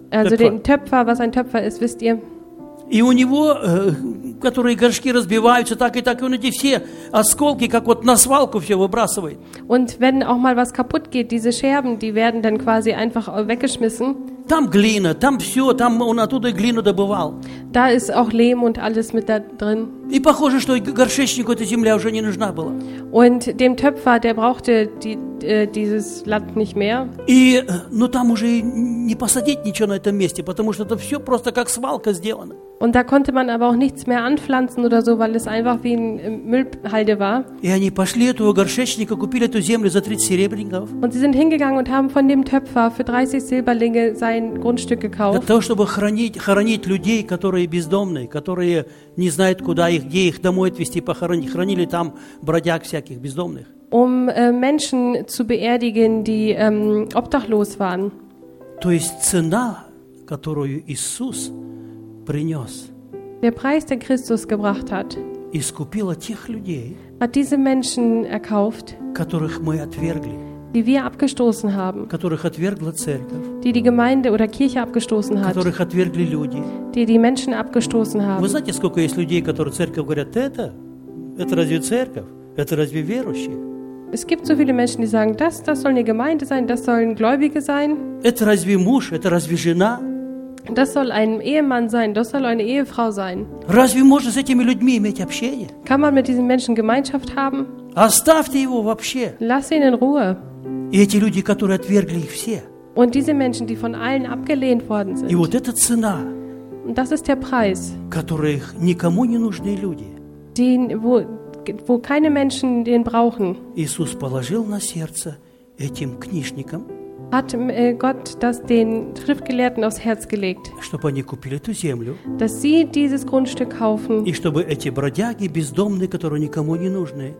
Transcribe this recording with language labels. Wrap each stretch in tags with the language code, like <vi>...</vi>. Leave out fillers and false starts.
<de>Also den Töpfer, was ein Töpfer ist, wisst ihr?</de> <ru>И у него, которые горшки разбиваются, так и так, и он эти все осколки, как вот на свалку все выбрасывает.</ru> <de>Und wenn auch mal was kaputt geht, diese Scherben, die werden dann quasi einfach weggeschmissen.</de> <ru>Там глина, там все, там он оттуда глину добывал.</ru> <de>Da ist auch Lehm und alles mit da drin.</de> <ru>И похоже, что горшечнику эта земля уже не нужна была.</ru> <de>Und dem Töpfer, der brauchte dieses Land nicht mehr.</de> <ru>И, ну, там уже не посадить ничего на этом месте, потому что это все просто как свалка сделано.</ru> <de>Und da konnte man aber auch nichts mehr anpflanzen oder so, weil es einfach wie ein Müllhalde war.</de> <ru>И они пошли этого горшечника, купили эту землю за 30 серебряников.</ru> <de>Und sie sind hingegangen und haben von dem Töpfer für 30 Silberlinge sein Grundstück gekauft.</de> <ru>Для того, чтобы хоронить людей, которые бездомные, которые не знают, куда их, где их домой отвезти похоронить, хранили там бродяг всяких бездомных.</ru> <de>Um Menschen zu beerdigen, die obdachlos waren.</de> <ru>То есть цена, которую Иисус принес.</ru> <de>Der Preis, den Christus gebracht hat.</de> <ru>Искупила тех людей.</ru> <de>Hat diese Menschen erkauft.</de> <ru>Которых мы отвергли.</ru> <de>Die wir abgestoßen haben.</de> <ru>Которых отвергла церковь.</ru> <de>Die Gemeinde oder Kirche abgestoßen hat.</de> <ru>Которых отвергли люди.</ru> <de>Die Menschen abgestoßen haben.</de> <ru>Вы знаете, сколько есть людей, которые церковь говорят: это? Это разве церковь? Это разве верующие?</ru> <de>Es gibt so viele Menschen, die sagen, das soll eine Gemeinde sein, das sollen Gläubige sein.</de> <ru>Это разве муж? Это разве жена?</ru> <de>Das soll ein Ehemann sein, das soll eine Ehefrau sein.</de> <ru>Разве можно с этими людьми иметь общение?</ru> <de>Kann man mit diesen Menschen Gemeinschaft haben?</de> <ru>Оставьте его вообще.</ru> <de>Lass ihn in Ruhe.</de> <ru>И эти люди, которые отвергли их все.</ru> <de>Und diese Menschen, die von allen abgelehnt worden sind.</de> <ru>И вот эта цена.</ru> <de>Und das ist der Preis.</de> <ru>Которых никому не нужны люди.</ru> <de>Wo keine Menschen den brauchen.</de> <ru>Иисус положил на сердце этим книжникам.</ru> <de>Hat Gott das den Schriftgelehrten aufs Herz gelegt?</de> <ru>Чтобы они купили эту землю.</ru> <de>Dass sie dieses Grundstück kaufen.</de> <ru>И чтобы эти бродяги бездомные, которые никому не нужны.</ru>